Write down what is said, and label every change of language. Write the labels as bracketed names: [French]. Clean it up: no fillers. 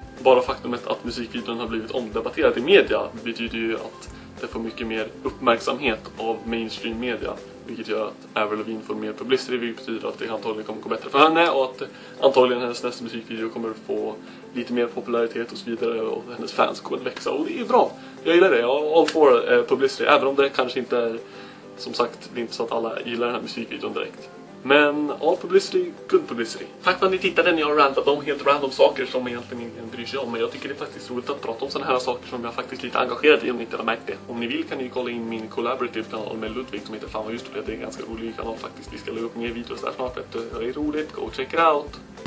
[Swedish] Bara faktumet att musikvideon har blivit omdebatterad i media betyder ju att det får mycket mer uppmärksamhet av mainstream media, vilket gör att Avril Lavigne får mer publicity, vilket betyder att det antagligen kommer gå bättre för henne, och att antagligen hennes nästa musikvideo kommer få lite mer popularitet och så vidare, och hennes fans kommer växa, och det är bra. Jag gillar det, [English] all for publicity, [Swedish] även om det kanske inte är, som sagt, det är inte så att alla gillar den här musikvideon direkt. Men [English] all publicity, good publicity. [Swedish] Tack för att ni tittade när jag rantade om helt random saker som egentligen ingen bryr sig om. Men jag tycker det är faktiskt roligt att prata om sådana här saker som jag faktiskt lite engagerad i, om ni inte har märkt det. Om ni vill kan ni kolla in min collaborative kanal med Ludvig som heter Fan vad just det. Det är en ganska rolig kanal faktiskt. Vi ska lägga upp mer videos där snart. Det är roligt. [English] Go check it out.